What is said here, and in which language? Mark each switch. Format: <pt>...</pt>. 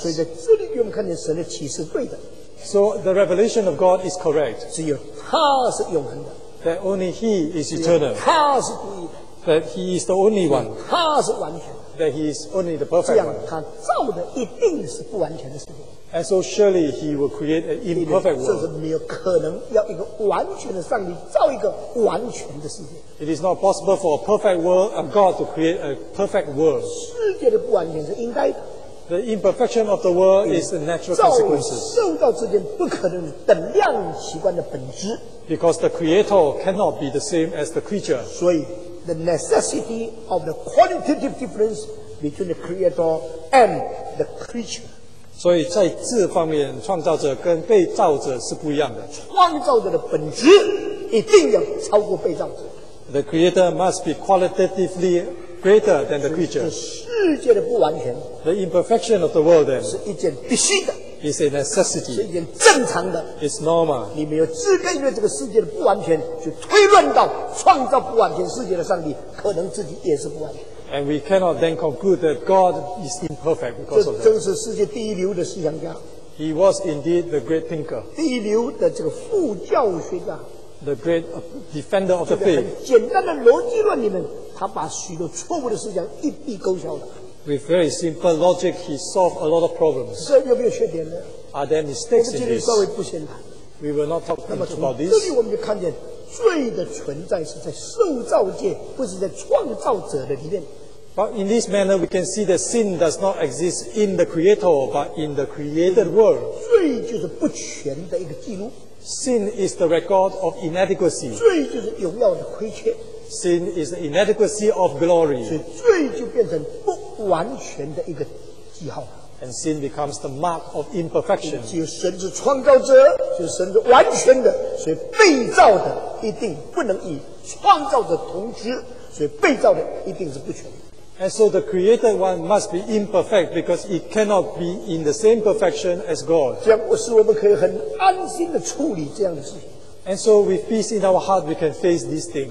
<zh>所以在这里给我们看见神的启示对的。</zh> <en>So the revelation of God is correct.</en> <zh>只有他是永恒的。</zh> <en>That only He is eternal.</en> <zh>他是独一的。</zh> <en>That He is the only one.</en> <zh>他是完全的。</zh> <en>That He is only the perfect one.</en> <zh>这样他造的一定是不完全的事情。</zh> <en>And so surely He will create an imperfect world.</en> <zh>这是没有可能要一个完全的上帝造一个完全的世界。</zh> <en>It is not possible for a perfect world, a God to create a perfect world.</en> <zh>世界的不完全是应该的。</zh> <en>The imperfection of the world is a natural consequence.</en> <zh>受到这件不可能的等量习惯的本质。</zh> <en>Because the creator cannot be the same as the creature. 所以 the necessity of the qualitative difference between the creator and the creature.</en> <zh>所以在字方面，创造者跟被造者是不一样的。创造者的本质一定要超过被造者。</zh> <en>The creator must be qualitatively greater than the creature.</en> <zh>世界的不完全。</zh> <en>The imperfection of the world then,</en> <zh>是一件必须的。</zh> <en>Is a necessity.</en> <zh>是一件正常的。</zh> <en>Is normal.</en> <zh>你没有资格因为这个世界的不完全，去推论到创造不完全世界的上帝可能自己也是不完全。</zh> <en>And we cannot then conclude that God is imperfect because of that.</en> <zh>这就是世界第一流的思想家。</zh> <en>He was indeed the great thinker.</en> <zh>第一流的这个副教学家。</zh> <en>The great defender of the faith.</en> <zh>简单的逻辑论里面，他把许多错误的思想一笔勾销了。</zh> <en>With very simple logic, he solved a lot of problems.</en> <zh>这有没有缺点呢？</zh> <en>Are there mistakes in this?</en> <zh>我们今天稍微不先谈。</zh> <en>We will not talk about this.</en> <zh>那么从这里我们就看见。罪的存在是在受造界，不是在创造者的里面。</zh> <en>But in this manner, we can see that sin does not exist in the creator, but in the created world.</en> <zh>罪就是不全的一个记录。</zh> <en>Sin is the record of inadequacy.</en> <zh>罪就是荣耀的亏缺。</zh> <en>Sin is the inadequacy of glory.</en> <zh>所以罪就变成不完全的一个记号。</zh> <en>And sin becomes the mark of imperfection.</en> <zh>只有神是创造者，只有神是完全的，所以被造的一定不能与创造者同质，所以被造的一定是不全的。</zh> <en>And so the created one must be imperfect because it cannot be in the same perfection as God.</en> <zh>这样使我们可以很安心的处理这样的事情。</zh> <en>And so with peace in our heart, we can face these things.</en>